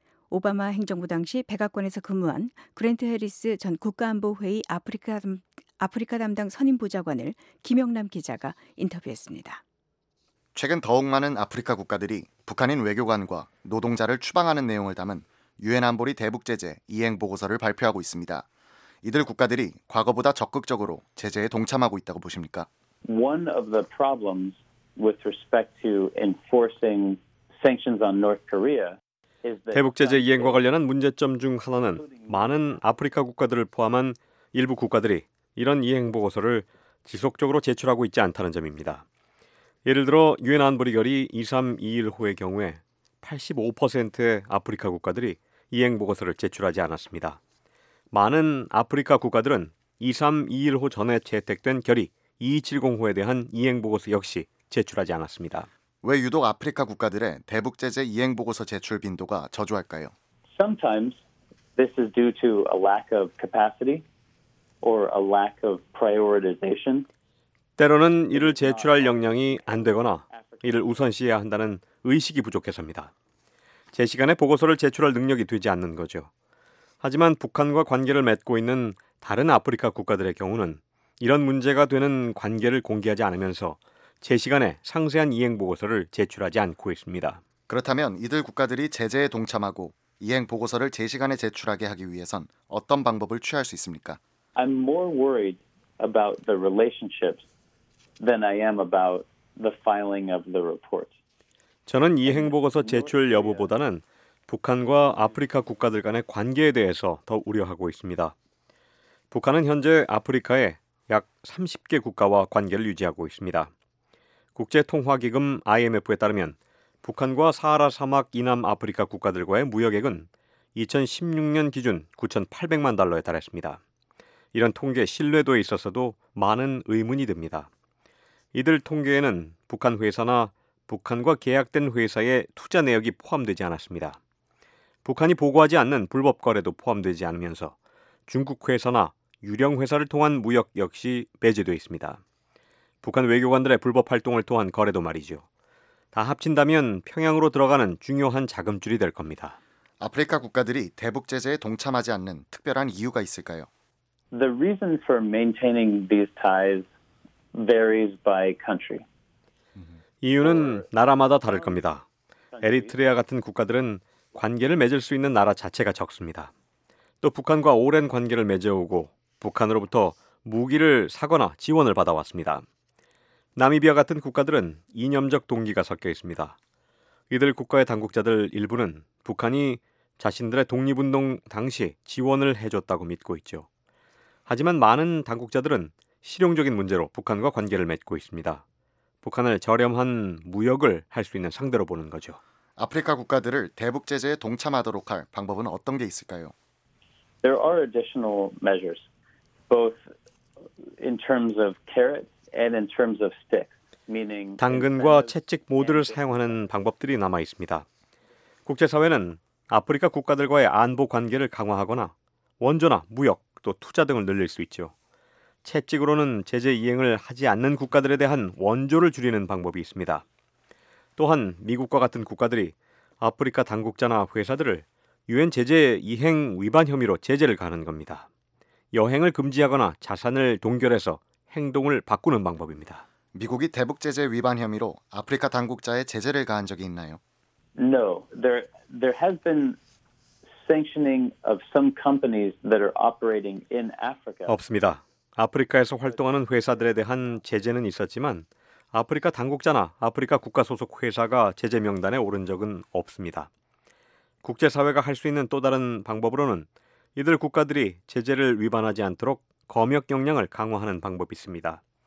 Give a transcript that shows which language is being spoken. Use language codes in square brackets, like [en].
[ko] 오바마 행정부 당시 백악관에서 근무한 그랜트 해리스 전 국가안보회의 아프리카 담당 선임 보좌관을 김영남 기자가 인터뷰했습니다. 최근 더욱 많은 아프리카 국가들이 북한인 외교관과 노동자를 추방하는 내용을 담은 유엔 안보리 대북 제재 이행 보고서를 발표하고 있습니다. 이들 국가들이 과거보다 적극적으로 제재에 동참하고 있다고 보십니까? [en] One of the problems with respect to enforcing sanctions on North Korea. [ko] 대북 제재 이행과 관련한 문제점 중 하나는 많은 아프리카 국가들을 포함한 일부 국가들이 이런 이행 보고서를 지속적으로 제출하고 있지 않다는 점입니다. 예를 들어 유엔 안보리 결의 2321 호의 경우에 85%의 아프리카 국가들이 이행 보고서를 제출하지 않았습니다. 많은 아프리카 국가들은 2321 호 전에 채택된 결의 2270 호에 대한 이행 보고서 역시 제출하지 않았습니다. 왜 유독 아프리카 국가들의 대북 제재 이행 보고서 제출 빈도가 저조할까요? [en] Sometimes this is due to a lack of capacity. or a lack of prioritization. [ko] 때로는 이를 제출할 역량이 안 되거나 이를 우선시해야 한다는 의식이 부족해서입니다. 제 시간에 보고서를 제출할 능력이 되지 않는 거죠. 하지만 북한과 관계를 맺고 있는 다른 아프리카 국가들의 경우는 이런 문제가 되는 관계를 공개하지 않으면서 제 시간에 상세한 이행 보고서를 제출하지 않고 있습니다. 그렇다면 이들 국가들이 제재에 동참하고 이행 보고서를 제 시간에 제출하게 하기 위해선 어떤 방법을 취할 수 있습니까? [en] I'm more worried about the relationships than I am about the filing of the report. [ko] 저는 이행 보고서 제출 여부보다는 북한과 아프리카 국가들 간의 관계에 대해서 더 우려하고 있습니다. 북한은 현재 아프리카에 약 30개 국가와 관계를 유지하고 있습니다. 국제통화기금 IMF에 따르면 북한과 사하라 사막 이남 아프리카 국가들과의 무역액은 2016년 기준 9,800만 달러에 달했습니다. 이런 통계 신뢰도에 있어서도 많은 의문이 듭니다. 이들 통계에는 북한 회사나 북한과 계약된 회사의 투자 내역이 포함되지 않았습니다. 북한이 보고하지 않는 불법 거래도 포함되지 않으면서 중국 회사나 유령 회사를 통한 무역 역시 배제되어 있습니다. 북한 외교관들의 불법 활동을 통한 거래도 말이죠. 다 합친다면 평양으로 들어가는 중요한 자금줄이 될 겁니다. 아프리카 국가들이 대북 제재에 동참하지 않는 특별한 이유가 있을까요? [en] The reason for maintaining these ties varies by country. [ko] 이유는 나라마다 다를 겁니다. 에리트레아 같은 국가들은 관계를 맺을 수 있는 나라 자체가 적습니다. 또 북한과 오랜 관계를 맺어오고 북한으로부터 무기를 사거나 지원을 받아왔습니다. 나미비아 같은 국가들은 이념적 동기가 섞여 있습니다. 이들 국가의 당국자들 일부는 북한이 자신들의 독립운동 당시 지원을 해줬다고 믿고 있죠. 하지만 많은 당국자들은 실용적인 문제로 북한과 관계를 맺고 있습니다. 북한을 저렴한 무역을 할 수 있는 상대로 보는 거죠. 아프리카 국가들을 대북 제재에 동참하도록 할 방법은 어떤 게 있을까요? [en] There are additional measures, both in terms of carrots and in terms of sticks, meaning [ko] 당근과 채찍 모두를 사용하는 방법들이 남아 있습니다. 국제사회는 아프리카 국가들과의 안보 관계를 강화하거나 원조나 무역 또 투자 등을 늘릴 수 있죠. 채찍으로는 제재 이행을 하지 않는 국가들에 대한 원조를 줄이는 방법이 있습니다. 또한 미국과 같은 국가들이 아프리카 당국자나 회사들을 유엔 제재 이행 위반 혐의로 제재를 가하는 겁니다. 여행을 금지하거나 자산을 동결해서 행동을 바꾸는 방법입니다. 미국이 대북 제재 위반 혐의로 아프리카 당국자에 제재를 가한 적이 있나요? [en] No, there has been sanctioning of some companies that are operating in Africa. [ko] 없습니다. 아프리카에서 활동하는 회사들에 대한 제재는 있었지만 아프리카 당국자나 아프리카 국가 소속 회사가 제재 명단에 오른 적은 없습니다. 국제사회가 할 수 있는 또 다른 방법으로는 이들 국가들이 제재를 위반하지 않도록 검역 역량을 강화하는 방법이 있습니다.